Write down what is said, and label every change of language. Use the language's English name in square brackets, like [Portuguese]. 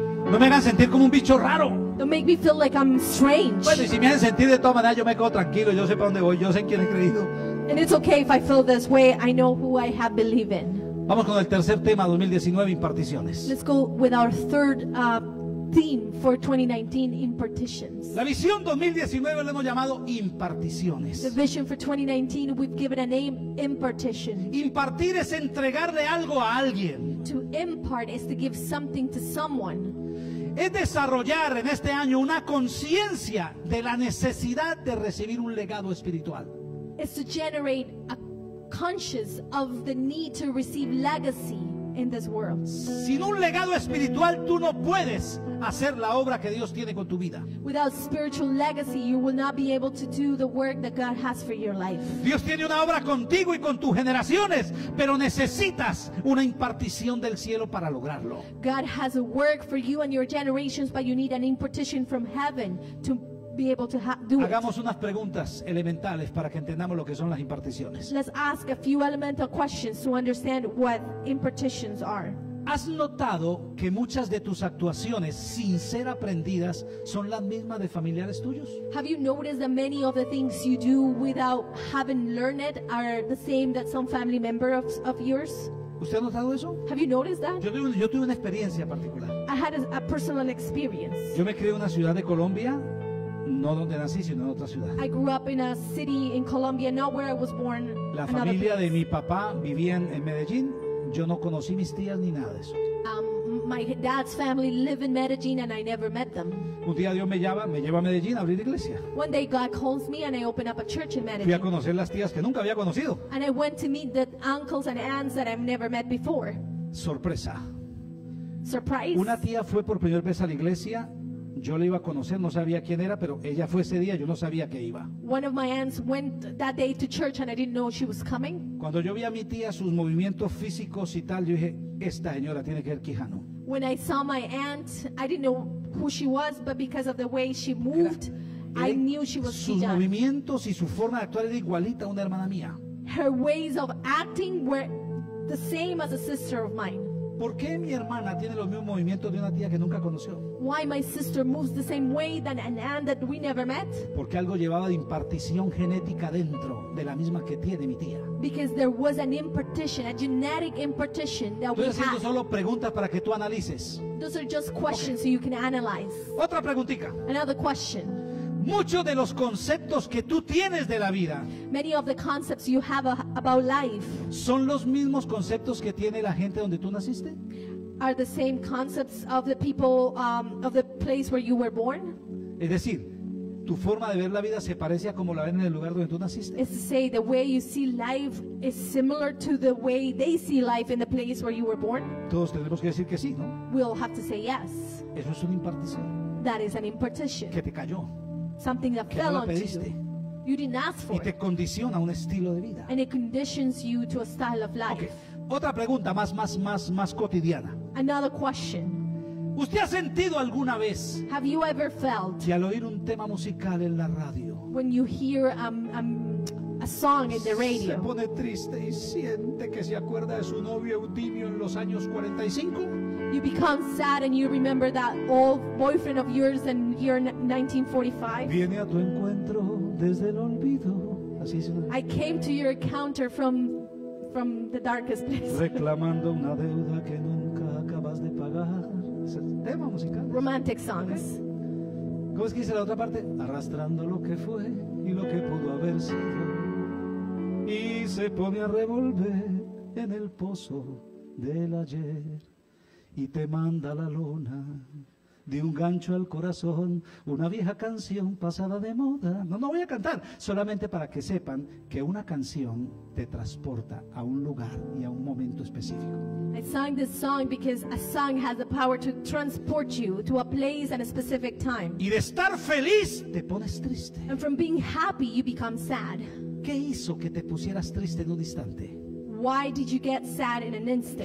[Spanish] No me hagan sentir como un bicho raro. [English] Don't make me feel like I'm strange. [Spanish] Bueno, y si me hacen sentir de todas maneras, yo me quedo tranquilo. Yo sé para dónde voy. Yo sé quién he creído. [English] And it's okay if I feel this way. I know who I have believed in. [Spanish] Vamos con el tercer tema 2019, imparticiones. [English] Let's go with our third theme for 2019, impartitions. [Spanish] La visión 2019 la hemos llamado imparticiones. [English] The vision for 2019 we've given a name, impartition. [Spanish] Impartir es entregarle algo a alguien. [English] To impart is to give something to someone. [Spanish] Es desarrollar en este año una conciencia de la necesidad de recibir un legado espiritual. [English] Is to generate a conscious of the need to receive legacy in this world. [Spanish] Sin un legado espiritual tú no puedes hacer la obra que Dios tiene con tu vida. [English] Without spiritual legacy you will not be able to do the work that God has for your life. [Spanish] Dios tiene una obra contigo y con tus generaciones, pero necesitas una impartición del cielo para lograrlo. [English] God has a work for you and your generations, but you need an impartition from heaven to be able to do it. [Spanish] Hagamos unas preguntas elementales para que entendamos lo que son las imparticiones. [English] Let's ask a few elemental questions to understand what impartitions are. [Spanish] ¿Has notado que muchas de tus actuaciones sin ser aprendidas son las mismas de familiares tuyos? [English] Have you noticed that many of the things you do without having learned it are the same that some family member of yours? [Spanish] ¿Usted ha notado eso? [English] Have you noticed that? [Spanish] Yo tuve una experiencia particular. [English] I had a personal experience. [Spanish] Yo me crié en una ciudad de Colombia. No donde nací, sino en otra ciudad. [English] I grew up in a city in Colombia, not where I was born. [Spanish] La familia de mi papá vivía en Medellín. Yo no conocí mis tías ni nada de eso. [English] My dad's family live in Medellín and I never met them. [Spanish] Un día Dios me lleva a Medellín a abrir iglesia. [English] One day God calls me and I open up a church in Medellín. [Spanish] Fui a conocer las tías que nunca había conocido. [English] And I went to meet the uncles and aunts that I've never met before. [Spanish] Sorpresa. [English] Surprise. [Spanish] Una tía fue por primera vez a la iglesia. Yo la iba a conocer, no sabía quién era, pero ella fue ese día, yo no sabía que iba. [English] One of my aunts went that day to church and I didn't know she was coming. [Spanish] Cuando yo vi a mi tía, sus movimientos físicos y tal, yo dije, esta señora tiene que ser Quijano. [English] When I saw my aunt, I didn't know who she was, but because of the way she moved, I knew she was Quijano. [Spanish] Sus movimientos y su forma de actuar era igualita a una hermana mía. [English] Her ways of acting were the same as a sister of mine. [Spanish] ¿Por qué mi hermana tiene los mismos movimientos de una tía que nunca conoció? [English] Why my sister moves the same way than an aunt that we never met? [Spanish] Porque algo llevaba de impartición genética dentro de la misma que tiene mi tía. [English] Because there was an impartition, a genetic impartition that we had. [Spanish] Estoy haciendo solo preguntas para que tú analices. [English] Those are just questions so you can analyze. [Spanish] Otra preguntica. [English] Another question. [Spanish] Muchos de los conceptos que tú tienes de la vida, [English] many of the concepts you have about life, [Spanish] son los mismos conceptos que tiene la gente donde tú naciste. [English] Are the same concepts of the people of the place where you were born. [Spanish] Es decir, tu forma de ver la vida se parece a como la ven en el lugar donde tú naciste. [English] It's to say the way you see life is similar to the way they see life in the place where you were born. [Spanish] Todos tenemos que decir que sí, ¿no? [English] We all have to say yes. [Spanish] Eso es una impartición. [English] That is an impartition. [Spanish] Que te cayó. [English] Something that fell onto you. You didn't ask for it. [Spanish] Y te condiciona un estilo de vida. [English] And it conditions you to a style of life. [Spanish] Okay. Otra pregunta más cotidiana. [English] Another question. [Spanish] ¿Usted ha sentido alguna vez? [English] Have you ever felt? [Spanish] Y al oír un tema musical en la radio. [English] When you hear a song in the radio. [Spanish] Se pone triste y siente que se acuerda de su novio Eutimio en los años 45. [English] You become sad and you remember that old boyfriend of yours in year 1945. [Spanish] Viene a tu encuentro desde el olvido. Así es. [English] I came to your encounter from the darkest place. [Spanish] Reclamando una deuda que nunca acabas de pagar. Es el tema musical. [English] Romantic songs. [Spanish] ¿Cómo es que dice la otra parte? Arrastrando lo que fue y lo que pudo haber sido. Y se pone a revolver en el pozo del ayer. Y te manda la luna de un gancho al corazón. Una vieja canción pasada de moda. No voy a cantar. Solamente para que sepan que una canción te transporta a un lugar y a un momento específico. [English] I sang this song because a song has the power to transport you to a place and a specific time. [Spanish] Y de estar feliz te pones triste. [English] And from being happy you become sad. [Spanish] ¿Qué hizo que te pusieras triste en un instante? [English] Why did you get sad in an instant?